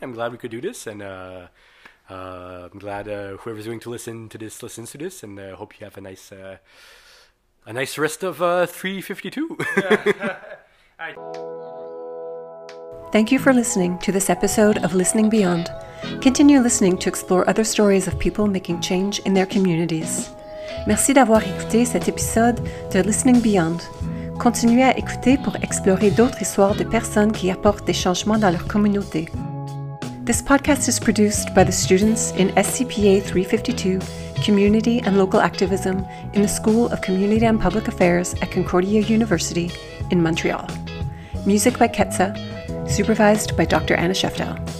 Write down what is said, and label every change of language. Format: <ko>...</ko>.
<en>I'm glad we could do this, and I'm glad whoever's going to listen to this, and I hope you have a nice rest of 3:52. Thank you for listening to this episode of Listening Beyond. Continue listening to explore other stories of people making change in their communities.</en> <fr>Merci d'avoir écouté cet épisode de Listening Beyond. Continuez à écouter pour explorer d'autres histoires de personnes qui apportent des changements dans leur communauté.</fr> <en>This podcast is produced by the students in SCPA 352, Community and Local Activism, in the School of Community and Public Affairs at Concordia University in Montreal. Music by Ketza, supervised by Dr. Anna Sheftel.</en>